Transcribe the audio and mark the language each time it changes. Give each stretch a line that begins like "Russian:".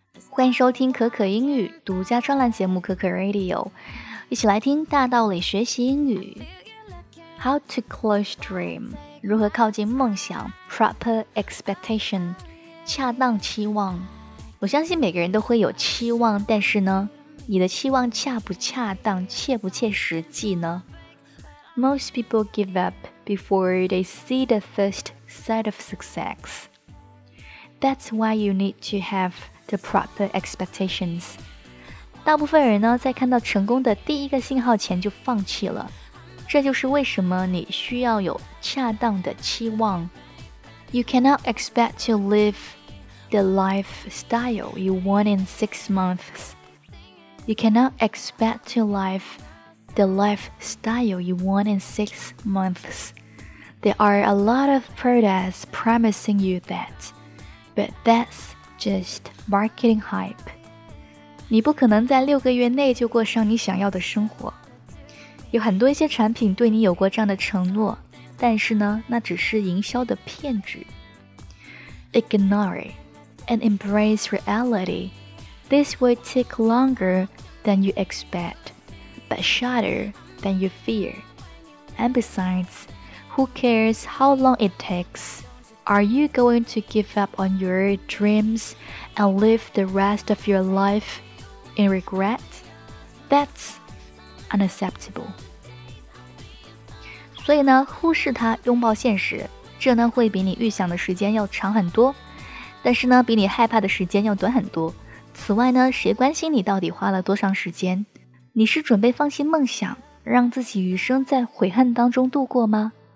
Chinese: 欢迎收听可可英语独家专栏节目可可 Radio， 一起来听大道理学习英语。
English: How to close dream，
Chinese: 如何靠近梦想
English: ？Proper expectation，
Chinese: 恰当期望。我相信每个人都会有期望，但是呢，你的期望恰不恰当，切不切实际呢？
English: Most people give up before they see the first sign of success. That's why you need to have the proper expectations.
Chinese: 大部分人呢，在看到成功的第一个信号前就放弃了。这就是为什么你需要有恰当的期望。
English: You cannot expect to live the lifestyle you want in 6 months. You cannot expect to liveThe lifestyle you want in 6 months. There are a lot of products promising you that, but that's just marketing hype.
Chinese: 你不可能在六个月内就过上你想要的生活。有很多一些产品对你有过这样的承诺，但是呢，那只是营销的骗局。
English: Ignore it and embrace reality. This will take longer than you expect. But shorter than you fear. And besides, who cares how long it takes? Are you going to give up on your dreams and live the rest of your life in regret? That's unacceptable.
Chinese: 所以呢，忽视它，拥抱现实，这呢会比你预想的时间要长很多，但是呢比你害怕的时间要短很多。此外呢，谁关心你到底花了多长时间？你是准备放弃梦想，让自己余生在悔恨当中度过吗？